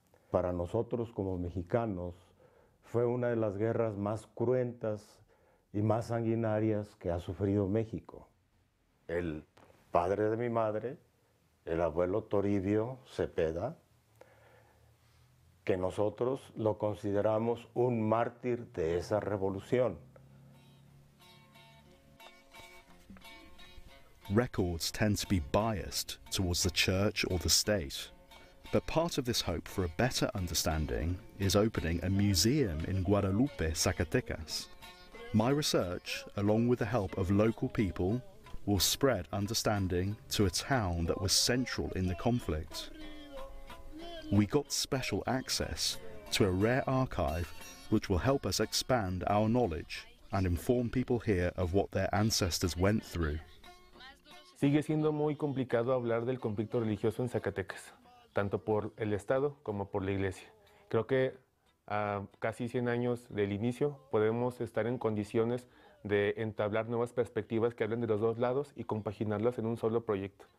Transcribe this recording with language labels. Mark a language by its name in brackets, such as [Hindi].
[Spanish] Para nosotros como mexicanos, fue una de las guerras más cruentas y más sanguinarias que ha sufrido México. El padre de mi madre, el abuelo Toribio Cepeda, que nosotros lo consideramos un mártir de esa revolución. [English] Records tend to be biased towards the church or the state, but part of this hope for a better understanding is opening a museum in Guadalupe, Zacatecas. My research, along with the help of local people, will spread understanding to a town that was central in the conflict. We got special access to a rare archive which will help us expand our knowledge and inform people here of what their ancestors went through. [Spanish] Sigue siendo muy complicado hablar del conflicto religioso en Zacatecas, tanto por el Estado como por la Iglesia. Creo que a casi 100 años del inicio podemos estar en condiciones de entablar nuevas perspectivas que hablen de los dos lados y compaginarlas en un solo proyecto.